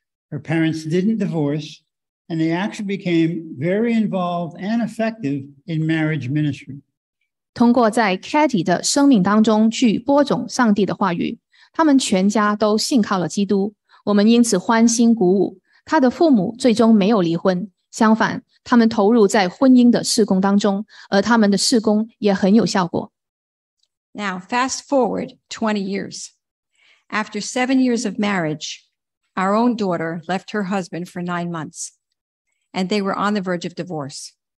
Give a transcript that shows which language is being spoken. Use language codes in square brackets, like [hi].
[en] Her parents didn't divorce, and they actually became very involved and effective in marriage ministry. [zh] 通过在Katie的生命当中去播种上帝的话语,他们全家都信靠了基督,我们因此欢欣鼓舞,他的父母最终没有离婚,相反,他们投入在婚姻的事工当中,而他们的事工也很有效果。 [en] Now, fast forward 20 years. After 7 years of marriage, our own daughter left her husband for 9 months, and they were on the verge of divorce.